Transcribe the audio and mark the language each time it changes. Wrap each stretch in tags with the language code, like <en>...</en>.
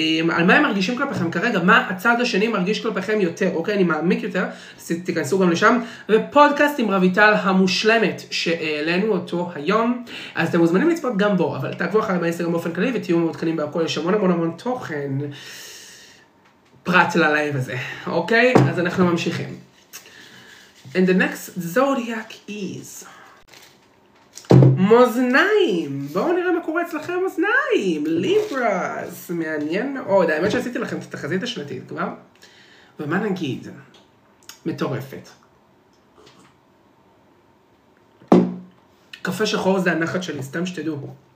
<he>על מה הם מרגישים כלפיכם כרגע, מה הצד השני מרגיש כלפיכם יותר, אוקיי, אני מעמיק יותר, תיכנסו גם לשם, ופודקאסט עם רויטל המושלמת שהעלינו אותו היום, אז אתם מוזמנים לצפות גם בו, אבל תעקבו אחרי באינסטגרם באופן כללי, ותהיו מעודכנים בהכל, יש המון המון המון תוך פרט ללייב הזה. אוקיי? אז אנחנו ממשיכים.</he> <en>And the next zodiac is מוזניים.</en> <he>בואו נראה מה קורה אצלכם מוזניים. ליברס. מעניין מאוד. האמת שעשיתי לכם את התחזית השנתית כבר. ומה נגיד? מטורפת. קפה שחור זה הנחת שלי. סתם שתדעו.</he>